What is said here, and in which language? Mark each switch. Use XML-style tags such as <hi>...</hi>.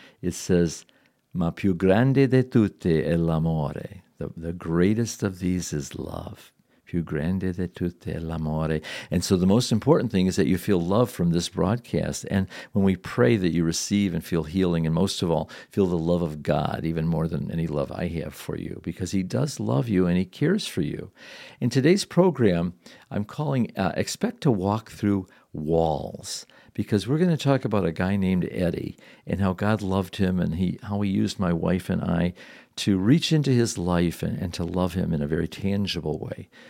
<en>It says,</en> <it>Ma più grande di tutte è l'amore.</it> <en>The greatest of these is love.</en> <it>Più grande di tutte è l'amore.</it> <en>And so the most important thing is that you feel love from this broadcast. And when we pray that you receive and feel healing, and most of all, feel the love of God even more than any love I have for you, because He does love you and He cares for you. In today's program, I'm calling Expect to Walk Through Walls, because we're going to talk about a guy named Eddie and how God loved him and how He used my wife and I to reach into his life and to love him in a very tangible way.</en>